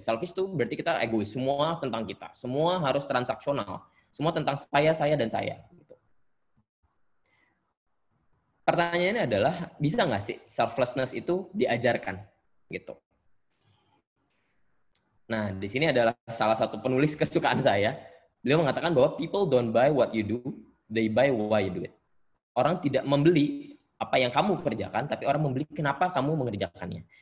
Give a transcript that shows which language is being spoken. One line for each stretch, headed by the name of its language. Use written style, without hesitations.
Indonesian: Selfish tuh berarti kita egois, semua tentang kita. Semua harus transaksional. Semua tentang saya, dan saya. Pertanyaannya adalah, bisa nggak sih selflessness itu diajarkan? Gitu. Nah, di sini adalah salah satu penulis kesukaan saya. Beliau mengatakan bahwa
English: people don't buy what you do, they buy why you do it.
Indonesian: Orang tidak membeli apa yang kamu kerjakan, tapi orang membeli kenapa kamu mengerjakannya.